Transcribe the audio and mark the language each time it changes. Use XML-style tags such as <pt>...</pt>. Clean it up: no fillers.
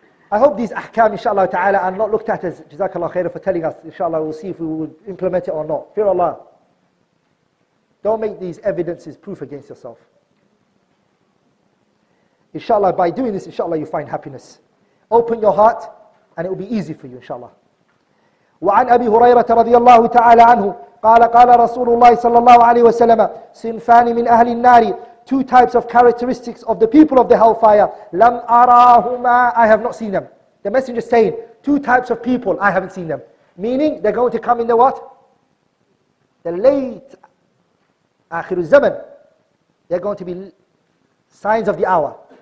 <en>I hope these ahkam, inshallah ta'ala, are not looked at as jazakallah khairah for telling us. Inshallah, we'll see if we would implement it or not. Fear Allah. Don't make these evidences proof against yourself. Inshallah, by doing this, inshallah, you find happiness. Open your heart and it will be easy for you, inshallah.</en> <ar>وعن أبي هريرة رضي الله تعالى عنه قال قال رسول الله صلى الله عليه وسلم صنفان من أهل النار.</ar> <en>Two types of characteristics of the people of the hellfire.</en> <ar>لم أراهما,</ar> <en>I have not seen them. The Messenger is saying, two types of people, I haven't seen them. Meaning, they're going to come in the what? The late</en> <ar>آخر الزمن.</ar> <en>They're going to be signs of the hour.</en>